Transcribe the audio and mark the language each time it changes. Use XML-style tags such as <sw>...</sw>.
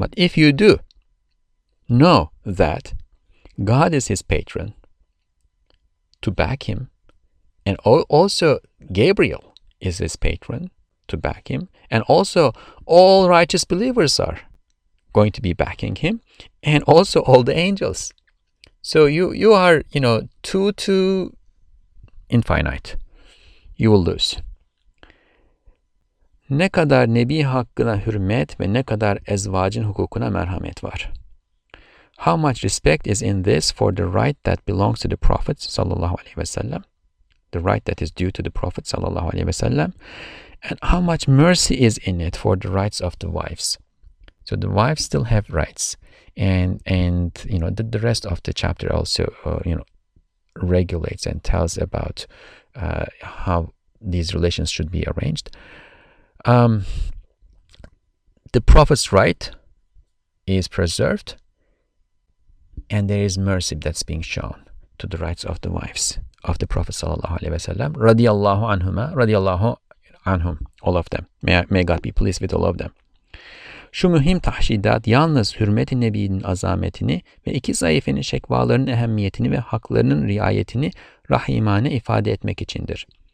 <en>But if you do, know that God is his patron to back him, and also Gabriel is his patron to back him, and also all righteous believers are going to be backing him, and also all the angels. So you are, you know, too infinite. You will lose.</en> <tr>Ne kadar nebi hakkına hürmet ve ne kadar ezvacın hukukuna merhamet var.</tr> <en>How much respect is in this for the right that belongs to the Prophet sallallahu alaihi wasallam, the right that is due to the Prophet sallallahu alaihi wasallam, and how much mercy is in it for the rights of the wives. So the wives still have rights, and you know, the rest of the chapter also you know, regulates and tells about how these relations should be arranged. The Prophet's right is preserved, and there is mercy that's being shown to the rights of the wives of the Prophet sallallahu alaihi wasallam, radiyallahu anhuma, radiyallahu anhum, all of them. May God be pleased with all of them.</en> <tr>Şu mühim tahşidat yalnız hürmet-i nebinin azametini ve iki zayıfenin şekvalarının ehemmiyetini ve haklarının riayetini rahimane ifade etmek içindir.</tr>